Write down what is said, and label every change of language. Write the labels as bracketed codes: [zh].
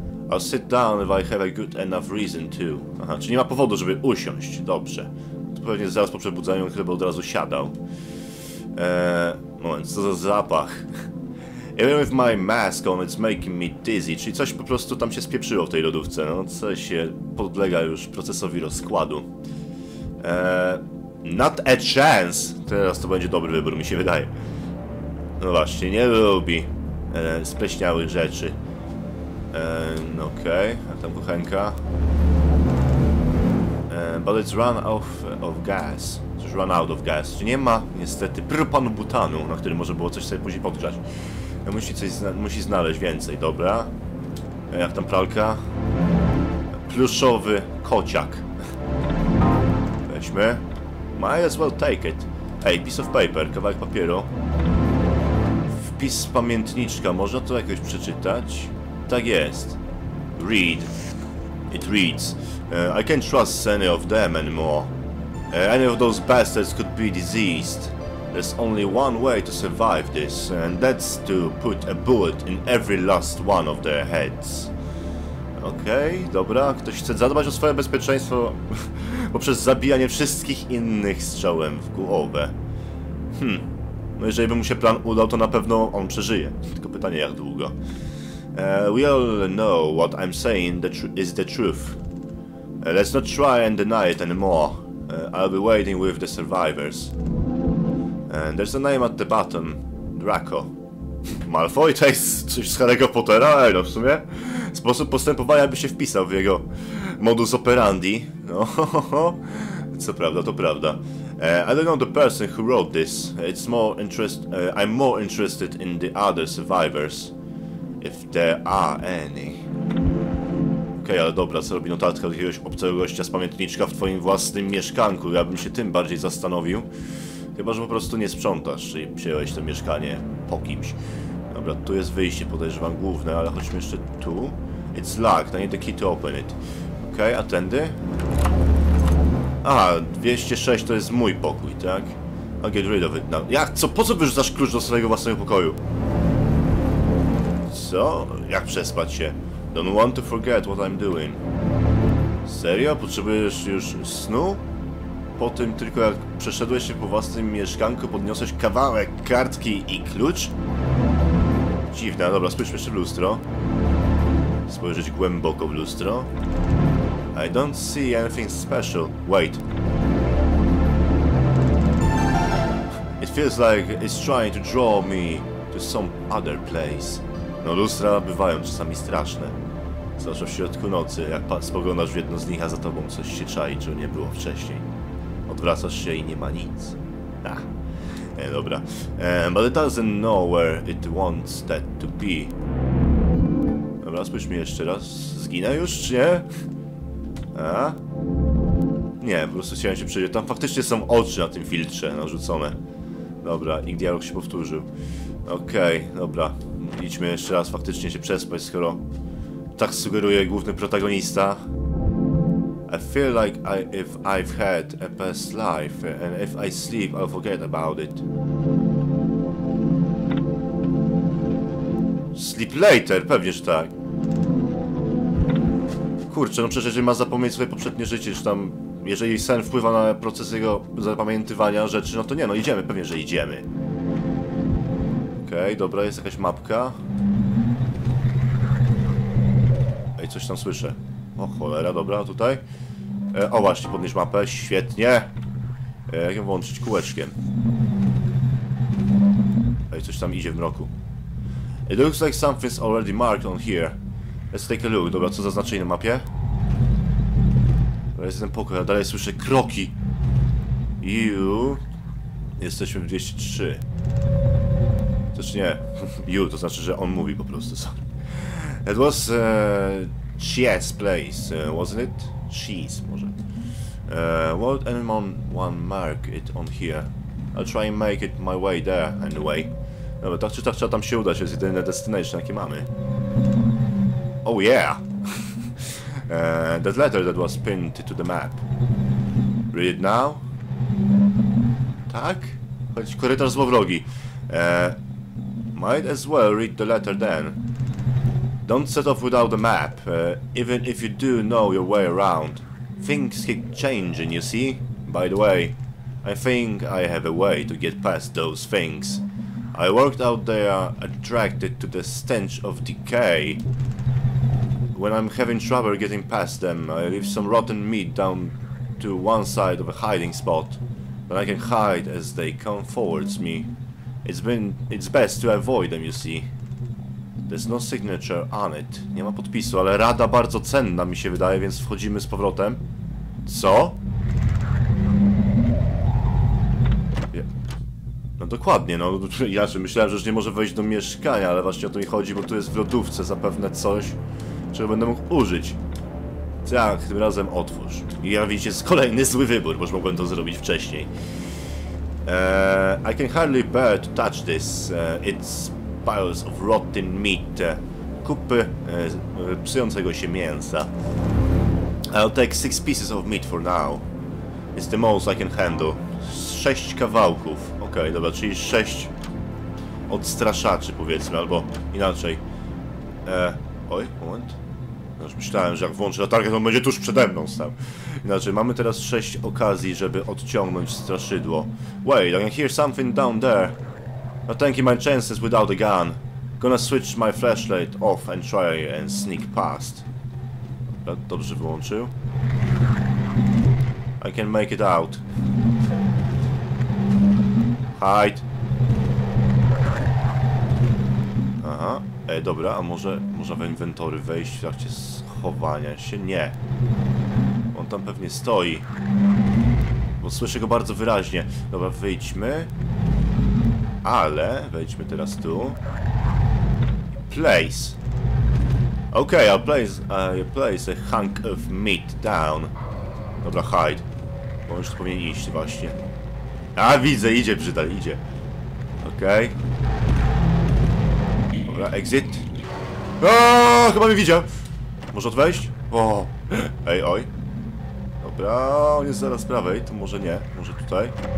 [en] I'll sit down if I have a good enough reason to. [pl] Aha, czyli nie ma powodu, żeby usiąść. Dobrze. To pewnie zaraz po przebudzeniu chyba od razu siadał. Moment, co za zapach. [en] Even with my mask on, it's making me dizzy. [pl] Czyli coś po prostu tam się spieprzyło w tej lodówce. No, coś się podlega już procesowi rozkładu. [en] Not a chance! [pl] Teraz to będzie dobry wybór, mi się wydaje. No właśnie, nie lubi spleśniałych rzeczy. Okej, okay. A tam kuchenka. [en] But it's run off of gas. Just run out of gas. [pl] Czyli nie ma, niestety, propanu butanu, na którym może było coś sobie później podgrzać. Musi znaleźć więcej, dobra. Jak tam pralka? Pluszowy kociak. Weźmy. [en] Might as well take it. Ej, piece of paper, [pl] kawałek papieru. Wpis z pamiętniczka, można to jakoś przeczytać? Tak jest. [en] Read. It reads. I can't trust any of them anymore. Any of those bastards could be diseased. There's only one way to survive this, and that's to put a bullet in every last one of their heads. [pl] Okej, okay, dobra, ktoś chce zadbać o swoje bezpieczeństwo poprzez zabijanie wszystkich innych strzałem w głowę. No jeżeli by mu się plan udał, to na pewno on przeżyje. Tylko pytanie, jak długo? [en] We all know what I'm saying is the truth. Let's not try and deny it anymore. I'll be waiting with the survivors. And there's a name at the bottom. Draco. [pl] Malfoy, to jest coś z Harry'ego Pottera? No w sumie. Sposób postępowania by się wpisał w jego modus operandi. No, co prawda, to prawda. [en] I don't know the person who wrote this. It's more interest... I'm more interested in the other survivors. If there are any. [pl] Okej, okay, ale dobra, co robi notatka do jakiegoś obcego gościa z pamiętniczka w twoim własnym mieszkanku? Ja bym się tym bardziej zastanowił. Chyba, że po prostu nie sprzątasz i przejąłeś to mieszkanie po kimś. Dobra, tu jest wyjście, podejrzewam główne, ale chodźmy jeszcze tu. [en] It's locked, I need the key to open it. [pl] Okej, okay, a tędy? Aha, 206 to jest mój pokój, tak? [en] I'll get rid of it now. [pl] Jak? Co? Po co wyrzucasz klucz do swojego własnego pokoju? Co? Jak przespać się? [en] Don't want to forget what I'm doing. [pl] Serio? Potrzebujesz już snu? Po tym tylko jak przeszedłeś się po własnym mieszkanku, podniosłeś kawałek kartki i klucz? Dziwne, dobra, spójrzmy jeszcze w lustro. Spojrzeć głęboko w lustro. [en] I don't see anything special. Wait. It feels like it's trying to draw me to some other place. [pl] No, lustra bywają czasami straszne. zwłaszcza w środku nocy, jak spoglądasz w jedno z nich, a za tobą coś się czai, czego nie było wcześniej. Odwracasz się i nie ma nic. Ach. Dobra. [en] But it doesn't know where it wants that to be. [pl] Dobra, spójrzmy jeszcze raz. Zginę już, czy nie? A? Nie, po prostu chciałem się przejrzeć. Tam faktycznie są oczy na tym filtrze narzucone. Dobra, i dialog się powtórzył. Okej, dobra. Idźmy jeszcze raz faktycznie się przespać, skoro tak sugeruje główny protagonista. [en] I feel like if I've had a past life, and if I sleep, I'll forget about it. Sleep later, [pl] pewnie, że tak. Kurczę, no przecież jeżeli ma zapomnieć swoje poprzednie życie, czy tam... Jeżeli sen wpływa na proces jego zapamiętywania rzeczy, no to nie, no idziemy, pewnie, że idziemy. Okej, dobra, jest jakaś mapka. Ej, coś tam słyszę. O cholera, dobra, tutaj. O właśnie, podnieś mapę, świetnie. Jak ją włączyć kółeczkiem? Ej, coś tam idzie w mroku. [en] It looks like something's already marked on here. Let's take a look. [pl] Dobra, co zaznaczyli na mapie? Dobra, jest ten pokój, a dalej słyszę kroki. [en] You... [pl] Jesteśmy w 203. To czy nie? You, to znaczy, że on mówi po prostu, sorry. [en] It was... Chies place, wasn't it? Cheese, może. What anyone want mark it on here? I'll try and make it my way there, anyway. [pl] Dobra, tak czy tak trzeba tam się udać, to jest jedyne destination, jakie mamy. [en] Oh yeah! that letter that was pinned to the map. Read it now? Tak? [pl] Chodź, korytarz złowrogi. [en] Might as well read the letter then. Don't set off without the map, even if you do know your way around. Things keep changing, you see? By the way, I think I have a way to get past those things. I worked out they are attracted to the stench of decay. When I'm having trouble getting past them, I leave some rotten meat down to one side of a hiding spot. Then I can hide as they come towards me. It's best to avoid them, you see? There's no signature on it. [pl] Nie ma podpisu, ale rada bardzo cenna mi się wydaje, więc wchodzimy z powrotem. Co? Ja... No dokładnie, no inaczej. Myślałem, że już nie może wejść do mieszkania, ale właśnie o to mi chodzi, bo tu jest w lodówce zapewne coś, czego będę mógł użyć. Tak, tym razem otwórz. I ja widzicie, jest kolejny zły wybór, bo już mogłem to zrobić wcześniej. [en] I can hardly bear to touch this. It's... Piles of rotten meat. [pl] Kupy psującego się mięsa. [en] I'll take 6 pieces of meat for now. It's the most I can handle. [pl] 6 kawałków. Okej, dobra, czyli 6 odstraszaczy, powiedzmy, albo inaczej. Oj, moment. Już myślałem, że jak włączę latarkę, to on będzie tuż przede mną stał. Inaczej, mamy teraz 6 okazji, żeby odciągnąć straszydło. [en] Wait, I can hear something down there. Not taking my chances without a gun. Gonna switch my flashlight off and try and sneak past. [pl] Dobrze wyłączył. [en] I can make it out. Hide. Aha. [pl] Dobra, a może można w inwentory wejść w trakcie schowania się? Nie. On tam pewnie stoi. Bo słyszę go bardzo wyraźnie. Dobra, wyjdźmy. Ale wejdźmy teraz tu. Place. [en] Okay, I'll place a hunk of meat down. [pl] Dobra, hide. Bo już powinien iść właśnie. A widzę, idzie brzydal, idzie. Okay. Dobra, exit. Aaaa, chyba mnie widział. Może odwejść? O, ej, oj. Dobra, on jest zaraz prawej, to może nie, może tutaj.